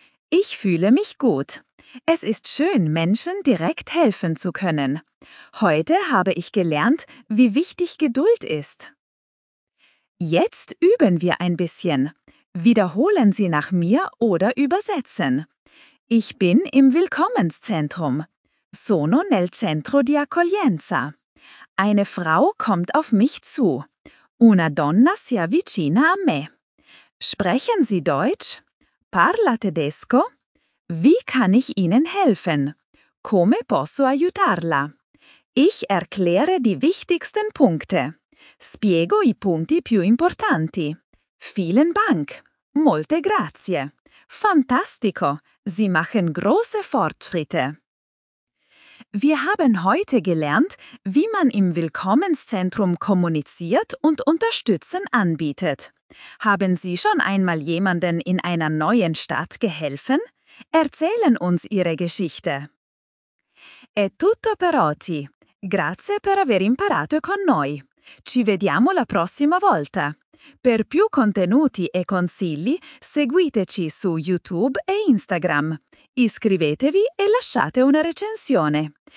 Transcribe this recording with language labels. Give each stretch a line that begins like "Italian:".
German: Ich fühle mich gut. Es ist schön, Menschen direkt helfen zu können. Heute habe ich gelernt, wie wichtig Geduld ist. Jetzt üben wir ein bisschen. Wiederholen Sie nach mir oder übersetzen. Ich bin im Willkommenszentrum.
Italian: Sono nel centro di accoglienza.
German: Eine Frau kommt auf mich zu.
Italian: Una donna si avvicina a me.
German: Sprechen Sie Deutsch?
Italian: Parla tedesco?
German: Wie kann ich Ihnen helfen?
Italian: Come posso aiutarla?
German: Ich erkläre die wichtigsten Punkte.
Italian: Spiego i punti più importanti.
German: Vielen Dank.
Italian: Molte grazie. Fantastico.
German: Sie machen große Fortschritte. Wir haben heute gelernt, wie man im Willkommenszentrum kommuniziert und Unterstützung anbietet. Haben Sie schon einmal jemanden in einer neuen Stadt geholfen? Erzählen uns Ihre Geschichte.
Italian: È tutto per oggi. Grazie per aver imparato con noi. Ci vediamo la prossima volta. Per più contenuti e consigli, seguiteci su YouTube e Instagram. Iscrivetevi e lasciate una recensione.